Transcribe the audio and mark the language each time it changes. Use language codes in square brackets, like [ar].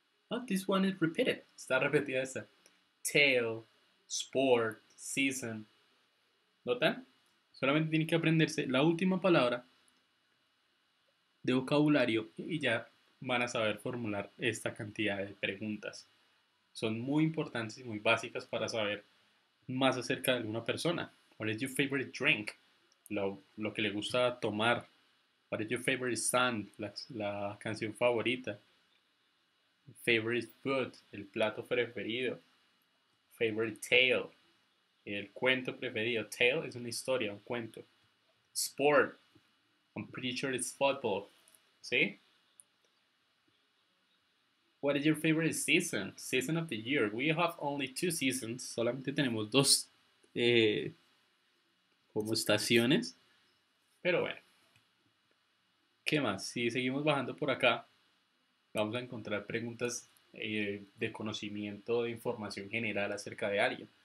[en] Oh, this one is repeated. [es] Está repetida esta. [en] Tail, sport, season. [es] ¿Notan? Solamente tiene que aprenderse la última palabra de vocabulario y ya van a saber formular esta cantidad de preguntas. Son muy importantes y muy básicas para saber más acerca de alguna persona. [en] What is your favorite drink? [es] Lo que le gusta tomar. [en] What is your favorite song? [es] La canción favorita. [en] Favorite food, [es] el plato preferido. [en] Favorite tale, [es] el cuento preferido. Tale es una historia, un cuento. [en] Sport, I'm pretty sure it's football. ¿Sí? What is your favorite season? Season of the year. We have only two seasons. [es] Solamente tenemos dos como estaciones. Pero bueno. ¿Qué más? Si seguimos bajando por acá, vamos a encontrar preguntas de conocimiento, de información general acerca de alguien.